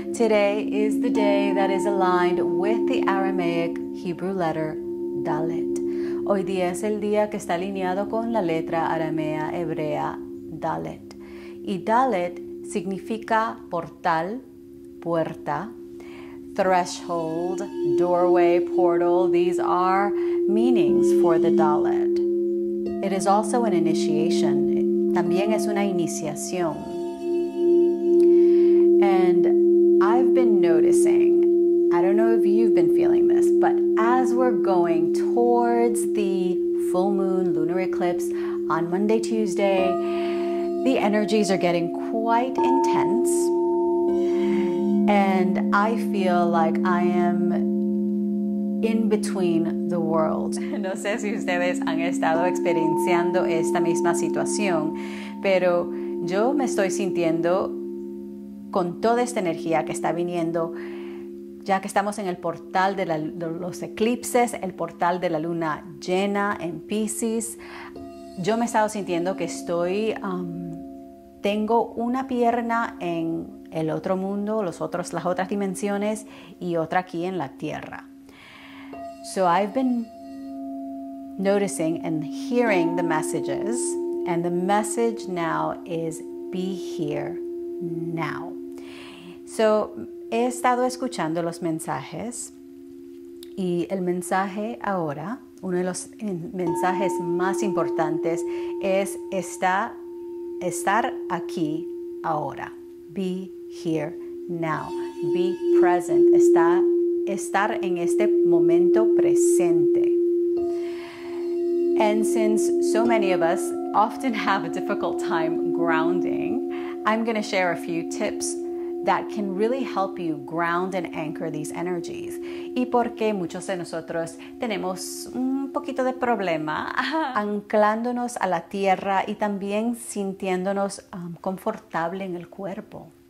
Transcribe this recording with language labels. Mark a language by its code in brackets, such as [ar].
[en] Today is the day that is aligned with the Aramaic Hebrew letter Dalet. [es] Hoy día es el día que está alineado con la letra aramea hebrea Dalet. Y Dalet significa portal, puerta, [en] threshold, doorway, [es] portal. [en] These are meanings for the Dalet. It is also an initiation. [es] También es una iniciación. [en] And I've been noticing, I don't know if you've been feeling this, but as we're going towards the full moon lunar eclipse on Monday, Tuesday, the energies are getting quite intense. And I feel like I am in between the world. [es] No sé si ustedes han estado experienciando esta misma situación, pero yo me estoy sintiendo con toda esta energía que está viniendo, ya que estamos en el portal de los eclipses, el portal de la luna llena en Pisces. Yo me he estado sintiendo que estoy, tengo una pierna en el otro mundo, las otras dimensiones, y otra aquí en la Tierra. [en] So I've been noticing and hearing the messages, and the message now is be here now. [es] So he estado escuchando los mensajes, y el mensaje ahora, uno de los mensajes más importantes, es estar aquí ahora. [en] Be here now. Be present. [es] Estar en este momento presente. [en] And since so many of us often have a difficult time grounding, I'm going to share a few tips that can really help you ground and anchor these energies. [es] Y porque muchos de nosotros tenemos un poquito de problema anclándonos a la tierra y también sintiéndonos confortable en el cuerpo.